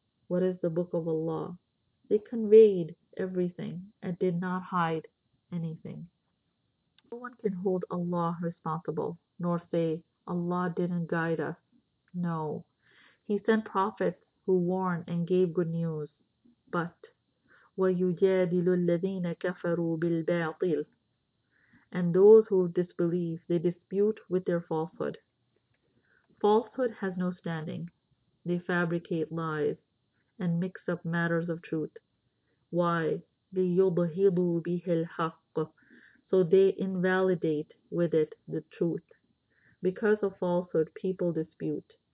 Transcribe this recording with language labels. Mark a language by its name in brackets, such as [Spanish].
[English] What is the book of Allah? They conveyed everything and did not hide anything. No one can hold Allah responsible, nor say, Allah didn't guide us. No, He sent prophets who warned and gave good news. [Arabic] But وَيُجَادِلُ الَّذِينَ كَفَرُوا بِالْبَاطِلِ. [English] And those who disbelieve, they dispute with their falsehood. Falsehood has no standing. They fabricate lies and mix up matters of truth. Why? [Arabic] لِيُضْهِبُوا بِهِ الْحَقِّ. [English] So they invalidate with it the truth. Because of falsehood, people dispute.